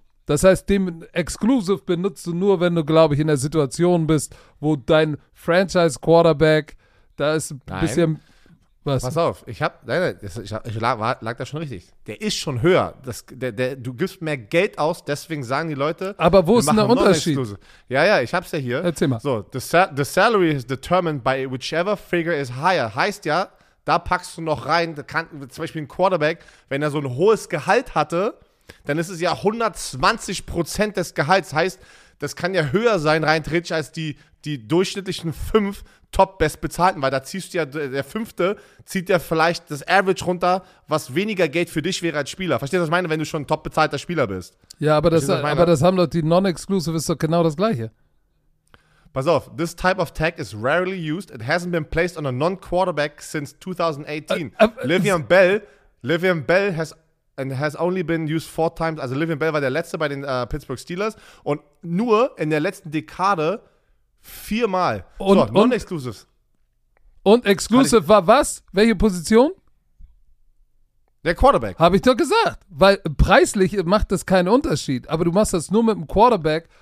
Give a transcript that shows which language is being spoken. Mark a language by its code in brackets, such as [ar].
[de] Das heißt, den Exclusive benutzt du nur, wenn du, glaube ich, in der Situation bist, wo dein Franchise-Quarterback, da ist ein bisschen... Was? Pass auf, ich lag da schon richtig. Der ist schon höher. Du gibst mehr Geld aus, deswegen sagen die Leute... Aber wo ist denn der Unterschied? Ja, ich hab's ja hier. Erzähl mal. [en] So, the salary is determined by whichever figure is higher. [de] Heißt ja, da packst du noch rein, da kann, zum Beispiel ein Quarterback, wenn er so ein hohes Gehalt hatte... Dann ist es ja 120% des Gehalts. Heißt, das kann ja höher sein, rein theoretisch, als die durchschnittlichen 5 Top-Bestbezahlten, weil da ziehst du ja, der 5. zieht ja vielleicht das Average runter, was weniger Geld für dich wäre als Spieler. Verstehst du, was ich meine, wenn du schon ein top-bezahlter Spieler bist? Ja, aber das haben doch die Non-Exclusive, ist doch genau das Gleiche. Pass auf, [en] this type of tag is rarely used. It hasn't been placed on a non-quarterback since 2018. Le'Veon Bell has only been used 4 times. [de] Also Le'Veon Bell war der letzte bei den Pittsburgh Steelers und nur in der letzten Dekade 4-mal. Und, so, non-exclusives. Und exclusive war was? Welche Position? Der Quarterback. Habe ich doch gesagt. Weil preislich macht das keinen Unterschied. Aber du machst das nur mit dem Quarterback.